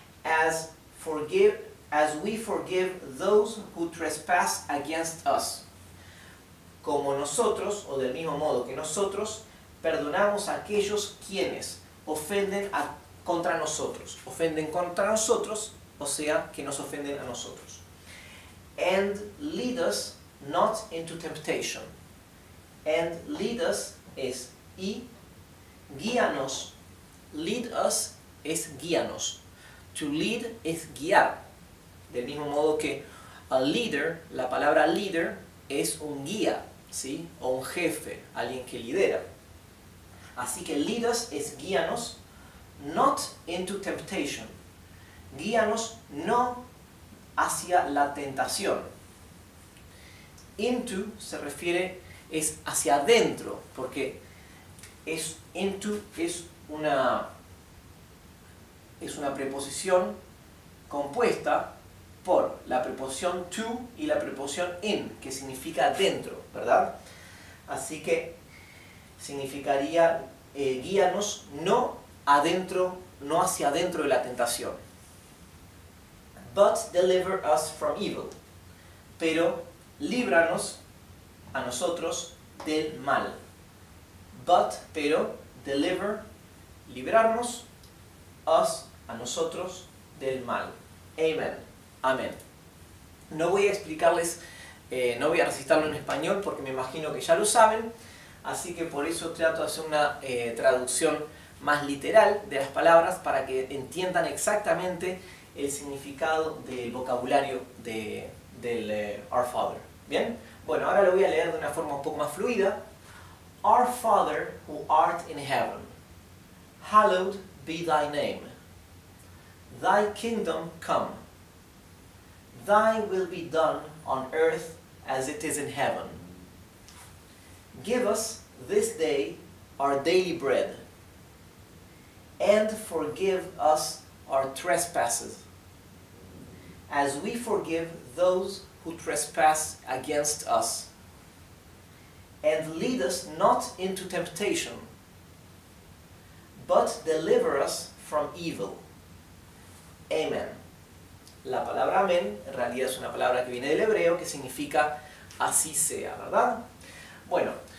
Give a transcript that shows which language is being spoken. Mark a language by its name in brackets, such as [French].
[English] as forgive, as we forgive those who trespass against us. [Spanish] Como nosotros, o del mismo modo que nosotros, perdonamos a aquellos quienes ofenden contra nosotros. Ofenden contra nosotros, o sea, que nos ofenden a nosotros. [English] And lead us not into temptation. And lead us [Spanish] es y guíanos. [English] Lead us [Spanish] es guíanos. [English] To lead [Spanish] es guiar. Del mismo modo que [English] a leader, [Spanish] la palabra leader es un guía, ¿sí? O un jefe, alguien que lidera. Así que [English] lead us [Spanish] es guíanos, [English] not into temptation. [Spanish] Guíanos no hacia la tentación. Into se refiere, es hacia adentro, porque es, into es una preposición compuesta por la preposición to y la preposición in, que significa dentro, ¿verdad? Así que significaría, guíanos no adentro, no hacia adentro de la tentación. [English] But deliver us from evil. [Spanish] Pero líbranos a nosotros del mal. [English] But, pero, deliver, [Spanish] librarnos, [English] us, [Spanish] a nosotros, del mal. [English] Amen. [Spanish] Amén. No voy a explicarles, no voy a recitarlo en español porque me imagino que ya lo saben. Así que por eso trato de hacer una traducción más literal de las palabras para que entiendan exactamente el significado del vocabulario del [English] Our Father. [Spanish] ¿Bien? Bueno, ahora lo voy a leer de una forma un poco más fluida. [English] Our Father who art in heaven, hallowed be thy name. Thy kingdom come. Thy will be done on earth as it is in heaven. Give us this day our daily bread, and forgive us our trespasses, as we forgive those who trespass against us. And lead us not into temptation, but deliver us from evil. Amen. [Spanish] La palabra amén en realidad es una palabra que viene del hebreo que significa así sea, ¿verdad? Bueno.